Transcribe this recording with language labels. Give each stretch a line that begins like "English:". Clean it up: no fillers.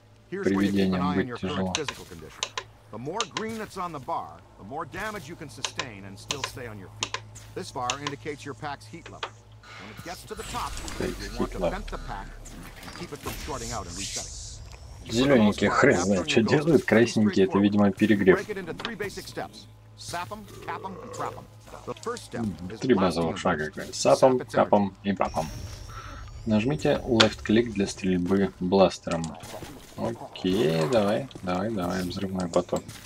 Russian: Привидением быть тяжело.
English: The more green that's on the bar, the more damage you can sustain and still stay on your feet. This bar indicates your pack's heat level. When it gets to the top, you want to vent the pack and keep it from shorting out and resetting.
Russian: Зелененькие, хрен знает, что делают, красненькие, это, видимо, перегрев. Три базовых шага, сапом, капом и брапом. Нажмите left click для стрельбы бластером. Окей, давай, давай, давай, взрывной поток.